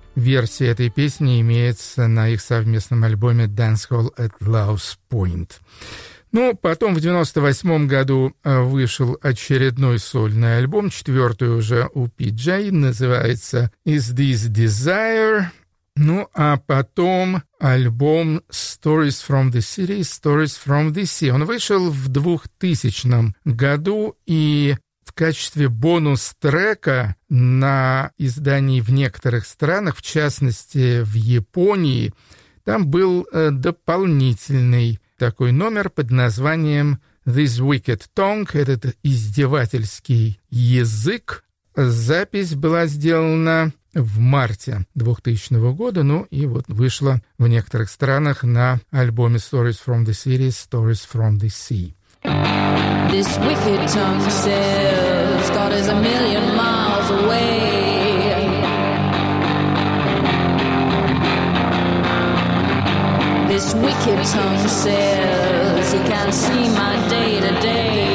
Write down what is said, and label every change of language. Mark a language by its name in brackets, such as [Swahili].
[Russian] Версия этой песни имеется на их совместном альбоме Dancehall at Love's Point. Ну, потом в 98 году вышел очередной сольный альбом, четвертый уже у Пи-Джей, называется Is This Desire? Ну, а потом альбом Stories from the City, Stories from the Sea. Он вышел в 2000 году, и в качестве бонус-трека на издании в некоторых странах, в частности в Японии, там был дополнительный такой номер под названием This Wicked Tongue, этот издевательский язык. Запись была сделана в марте 2000 года, ну и вот вышла в некоторых странах на альбоме Stories from the City, Stories from the Sea. [English] This wicked tongue says God is a million miles away. This wicked tongue says he can't see my day to day.